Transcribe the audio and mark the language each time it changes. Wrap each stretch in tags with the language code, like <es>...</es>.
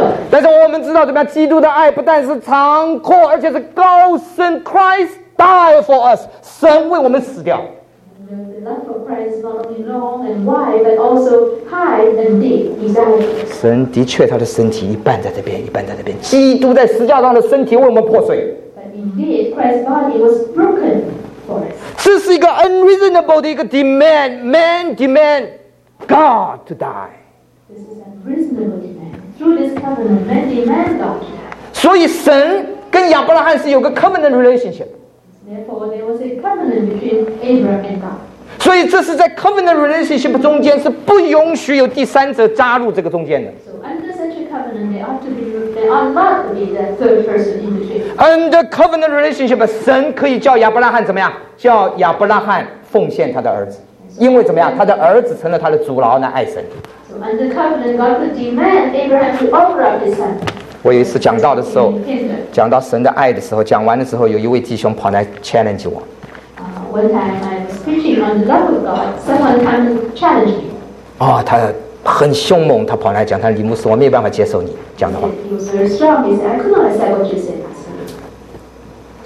<zh>但是我们知道怎么样？基督的爱不但是长阔，而且是高深。</zh> <en>Christ died for us，</en> <zh>神为我们死掉。</zh> <en>The love of Christ is not only long and wide, but also high and deep. He died.</en> <zh>神的确，他的身体一半在这边，一半在那边。基督在十字架上的身体为我们破碎。</zh> <en>But indeed, Christ's body was broken.</en> <zh>这是一个 unreasonable 的一个 demand，</zh> <en>man demand God to die. This is unreasonable demand. Through this covenant, man demand God to die.</en> <zh>所以神跟亚伯拉罕是有个 covenant relationship.</zh> <en>Therefore, there was a covenant between Abraham and God.</en> <zh>所以这是在 covenant relationship 中间是不允许有第三者加入这个中间的。</zh> <en>So under such a covenant, they ought to be they ought not to be the third person in between. Under covenant relationship,</en> <zh>神可以叫亚伯拉罕怎么样？叫亚伯拉罕奉献他的儿子，因为怎么样，他的儿子成了他的主劳来爱神。</zh> <en>So under covenant, God could demand Abraham to offer up his son.</en> <zh>我有一次讲到的时候，讲到神的爱的时候，讲完的时候，有一位弟兄跑来 challenge 我。</zh> <en>One time I was preaching on the love of God, someone came to challenge me.</en> <zh>他很凶猛，他跑来讲，他说李牧师，我没有办法接受你讲的话。</zh> <en>He was very strong, he said, I could not accept what you said.</en>